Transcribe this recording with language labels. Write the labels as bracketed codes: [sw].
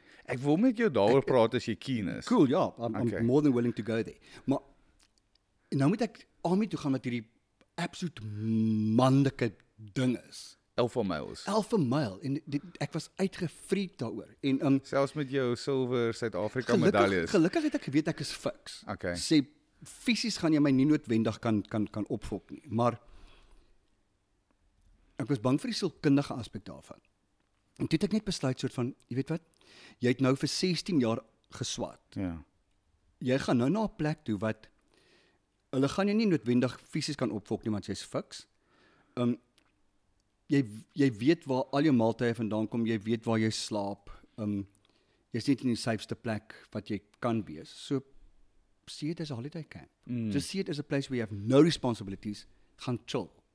[af] ek wil met jou daarover praat as jy keen is. [en] Cool, ja, I'm more than willing to go there. [af] Maar, nou moet ek army toe gaan met hierdie absoluut manlike ding is. Alpha miles. Alpha mile, en ek was uitgefreak daaroor. En selfs met jou silver Suid-Afrika medailles. Gelukkig het ek geweet ek is fiks. Okay. Sê, fysisk gaan jy my nie noodwendig kan opvolk nie, maar ek was bang vir die sielkundige aspek daarvan. En toe het ek net besluit soort van, jy weet wat, jy het nou vir 16 jaar geswaat. Ja. Jy gaan nou na 'n plek toe wat hulle gaan jy nie noodwendig fysisk kan opvolk nie, want jy is fiks. Jy weet waar al jou maaltye vandaan kom, jy weet waar jy slaap, jy is net in die safeste plek wat jy kan wees. [en] So, see it as a holiday camp. Mm. So see it as a place where you have no responsibilities, [af] gaan chill.